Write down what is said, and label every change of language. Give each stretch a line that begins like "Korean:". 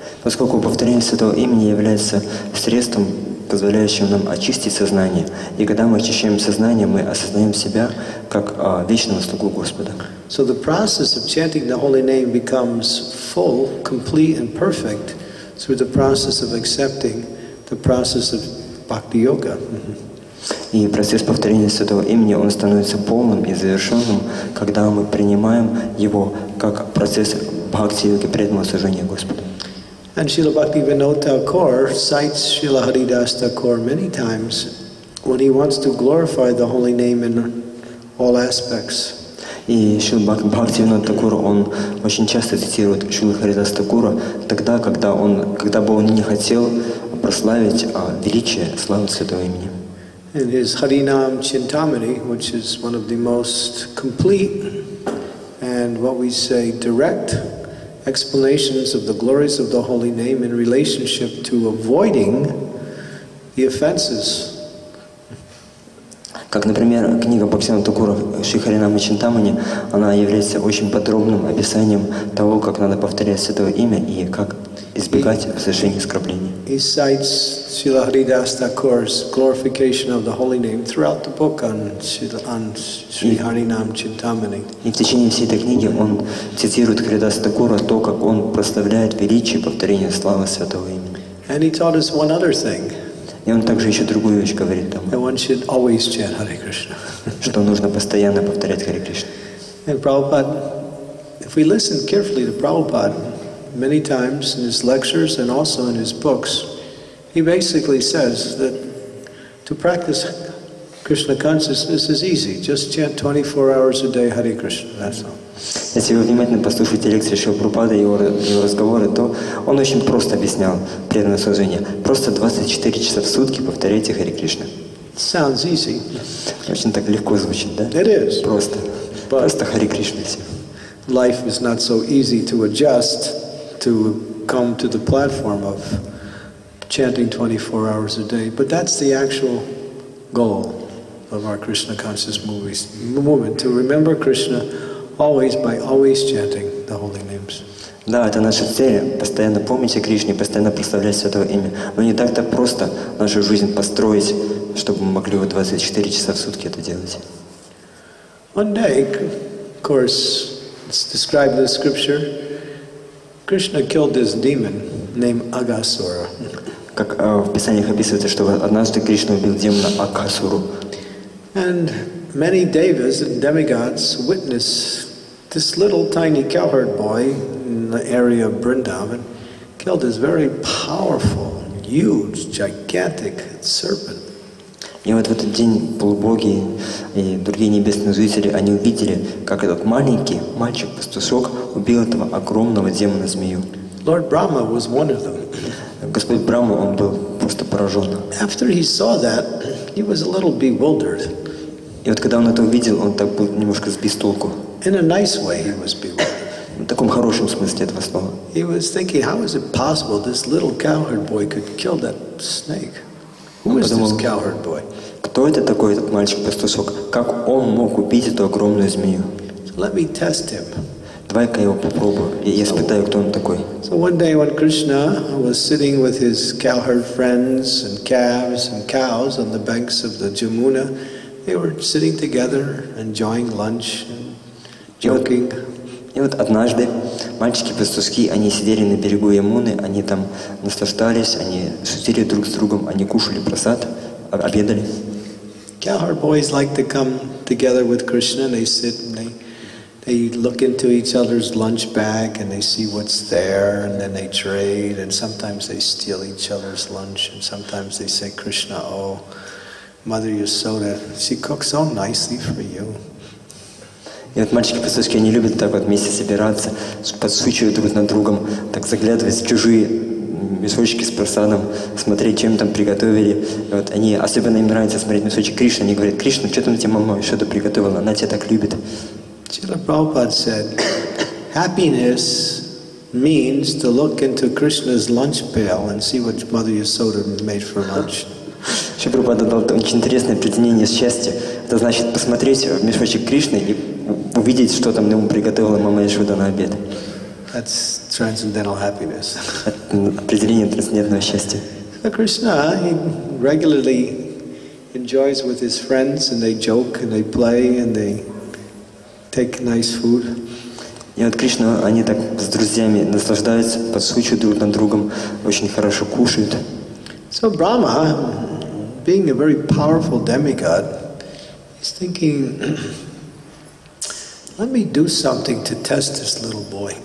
Russian: Поскольку повторение святого имени является средством, позволяющим нам очистить сознание, и когда мы очищаем сознание, мы осознаем себя как вечного слугу Господа.
English: So the process of chanting the holy name becomes full, complete, and perfect through the process of accepting the process of bhakti yoga.
Russian: И процесс повторения святого имени, он становится полным и завершенным, когда мы принимаем его как процесс бхакти-йоги, преданного служения Господу.
English: And Srila Bhaktivinoda Thakur cites Srila Haridasa Thakur many times when he wants to glorify the holy name in all aspects.
Russian: И Шрила Бхактивинода Такура, он очень часто цитирует Шрила Харидаса Такура тогда, когда бы он не хотел прославить величие славы святого имени.
English: In his Harinam Chintamani, which is one of the most complete and what we say direct explanations of the glories of the holy name in relationship to avoiding the offenses.
Russian: Как, например, книга Бхактивинода Такура Шри Харинама Чинтамани, она является очень подробным описанием того, как надо повторять святое имя и как избегать совершения оскорблений.
English: He cites Srila Haridasa Thakura's glorification of the holy name throughout the book on Sri Harinam Chintamani.
Russian: И в течение всей этой книги он цитирует Харидаса Такура то, как он прославляет величие повторения славы святого имени.
English: And he taught us one other thing.
Russian: И он также еще другую вещь говорит там.
English: That one should always chant Hare Krishna.
Russian: Что нужно постоянно повторять Харе Кришна.
English: And Prabhupada, if we listen carefully to Prabhupada, many times in his lectures and also in his books, he basically says that to practice Krishna consciousness is easy. Just chant 24 hours a day Hare Krishna. That's all.
Russian: Если вы внимательно послушаете лекции Шрилы Прабхупады и его разговоры, то он очень просто объяснял преданное служение. Просто 24 часа в сутки повторяйте Харе Кришна.
English: Sounds easy.
Russian: Очень так легко звучит, да?
English: It is.
Russian: Просто. Просто Харе Кришна.
English: life is not so easy to adjust to come to the platform of chanting 24 hours a day. But that's the actual goal of our Krishna Conscious Movement, to remember Krishna always by always chanting the holy names.
Russian: Да, это наша цель, постоянно помнить о Кришне, постоянно представлять Святое Имя. Но не так-то просто нашу жизнь построить, чтобы мы могли 24 часа в сутки это делать.
English: One day, of course, it's described in the scripture, Krishna killed this demon named Agasura.
Russian: Как в Писаниях описывается, что однажды Кришна убил демона Агасуру.
English: And many devas and demigods witness this little tiny cowherd boy in the area of Vrindavan killed this very powerful, huge, gigantic serpent.
Russian: И вот в этот день полубоги и другие небесные зрители, они увидели, как этот маленький мальчик-пастушок убил этого огромного демона-змею.
English: Lord Brahma was one of them.
Russian: Господь Брама, он был просто поражен.
English: After he saw that, he was a little bewildered.
Russian: И вот когда он это увидел, он так был немножко сбит с толку.
English: In a nice way, he was bewildered.
Russian: В таком хорошем смысле этого слова.
English: He was thinking, how is it possible this little cowherd boy could kill that snake? Who is this cowherd boy?
Russian: Кто это такой, этот мальчик-пастушок? Как он мог убить эту огромную змею?
English: Let me test him.
Russian: Давай-ка я его попробую, и я испытаю, кто он такой.
English: So one day when Krishna was sitting with his cowherd friends and calves and cows on the banks of the Jamuna, they were sitting together, enjoying lunch and joking.
Russian: И вот однажды мальчики-пастушки, они сидели на берегу Ямуны, они там наслаждались, они шутили друг с другом, они кушали прасад, обедали.
English: Cowherd boys like to come together with Krishna, they sit and they look into each other's lunch bag and they see what's there and then they trade and sometimes they steal each other's lunch and sometimes they say, Krishna, oh, Mother Yasoda, she cooks so nicely for you.
Russian: И вот мальчики-пастушки, они любят так вот вместе собираться, подсвечивают друг над другом, так заглядывать в чужие мешочки с просадом, смотреть, чем там приготовили. И вот они, особенно им нравится смотреть мешочек Кришны, они говорят, Кришна, что там тебе мама что-то приготовила, она тебя так любит.
English: Шрила Прабхупада said, happiness means to look into Krishna's lunch pail and see what Mother Yasoda made for lunch.
Russian: Шрила Прабхупада дал очень интересное определение счастья. Это значит посмотреть в мешочек Кришны и увидеть, что там ему приготовила мама Яшода на обед.
English: That's transcendental happiness.
Russian: Определение трансцендентного счастья.
English: So Krishna, he regularly enjoys with his friends, and they joke, and they play, and they take nice food.
Russian: И вот Кришна, они так с друзьями наслаждаются, подшучивают друг над другом, очень хорошо кушают.
English: So Brahma, being a very powerful demigod, is thinking, let me do something to test this little boy.